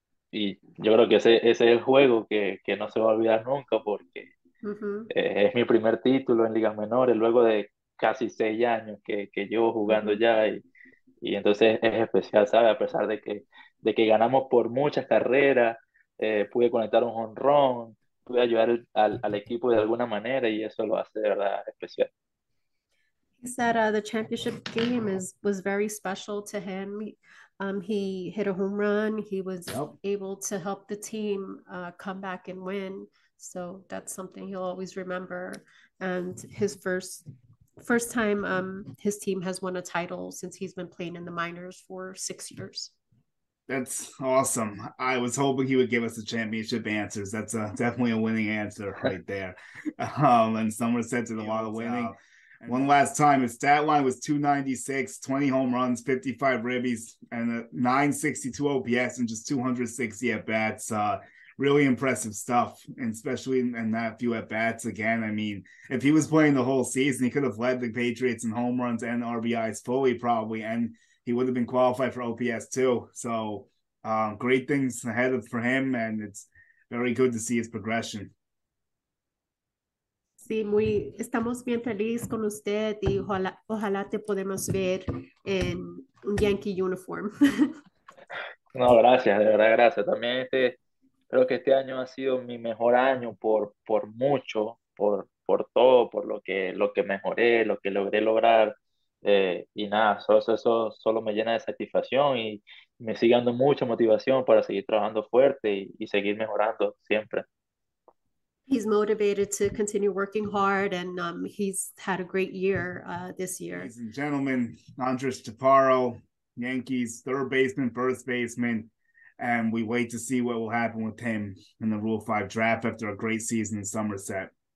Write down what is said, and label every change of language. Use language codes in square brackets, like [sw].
[es] Y yo creo que ese es el juego que no se va a olvidar nunca porque es mi primer título en ligas menores, luego de casi 6 años que llevo jugando ya. Y entonces es especial, ¿sabes? A pesar de que ganamos por muchas carreras, pude conectar un jonrón, pude ayudar al equipo de alguna manera y eso lo hace de verdad especial. [en] He said the championship game was very special to him. He hit a home run. He was Yep. able to help the team come back and win. So that's something he'll always remember. And his first time his team has won a title since he's been playing in the minors for 6 years. That's awesome. I was hoping he would give us the championship answers. That's definitely a winning answer right there. And someone said it's a lot of winning. doubt. One last time, his stat line was 296, 20 home runs, 55 ribbies, and a 962 OPS and just 260 at bats. Really impressive stuff, and especially in that few at bats again. I mean, if he was playing the whole season, he could have led the Patriots in home runs and RBIs fully, probably. And he would have been qualified for OPS too. So, great things ahead of for him, and it's very good to see his progression. [es] Sí, estamos bien felices con usted y ojalá te podemos ver en un [en] Yankee uniform. [es] No, gracias, de verdad, gracias. También creo que este año ha sido mi mejor año por mucho, por todo, por lo que mejoré, lo que logré lograr. Y nada, eso solo me llena de satisfacción y me sigue dando mucha motivación para seguir trabajando fuerte y seguir mejorando siempre. [en] He's motivated to continue working hard, and he's had a great year this year. Ladies and gentlemen, Andrés Chaparro, Yankees third baseman, first baseman, and we wait to see what will happen with him in the Rule 5 draft after a great season in Somerset.